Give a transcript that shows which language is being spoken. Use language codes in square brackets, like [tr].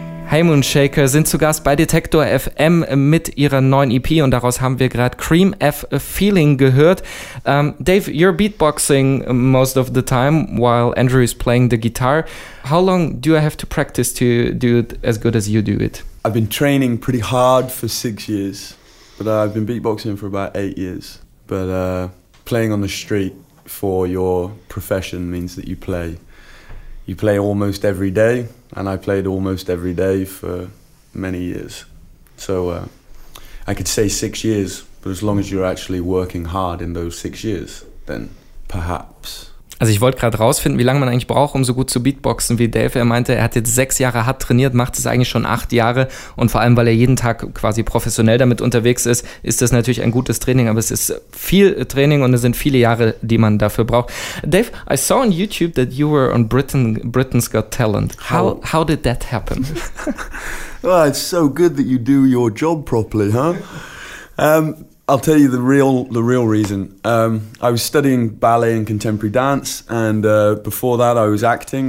[de] Hey Honeymoon Shaker sind zu Gast bei Detektor FM mit ihrer neuen EP und daraus haben wir gerade Cream F Feeling gehört. [en] Dave, you're beatboxing most of the time while Andrew is playing the guitar. How long do I have to practice to do it as good as you do it? I've been training pretty hard for 6 years, but I've been beatboxing for about 8 years. But playing on the street for your profession means that you play almost every day, and I played almost every day for many years. So I could say 6 years, but as long as you're actually working hard in those 6 years, then perhaps. [de] Also ich wollte gerade rausfinden, wie lange man eigentlich braucht, um so gut zu beatboxen wie Dave. Er meinte, er hat jetzt 6 Jahre hart trainiert, macht es eigentlich schon 8 Jahre. Und vor allem, weil er jeden Tag quasi professionell damit unterwegs ist, ist das natürlich ein gutes Training. Aber es ist viel Training und es sind viele Jahre, die man dafür braucht. [en] Dave, I saw on YouTube that you were on Britain's Got Talent. How did that happen? Well, it's so good that you do your job properly, huh? I'll tell you the real reason. I was studying ballet and contemporary dance, and before that I was acting.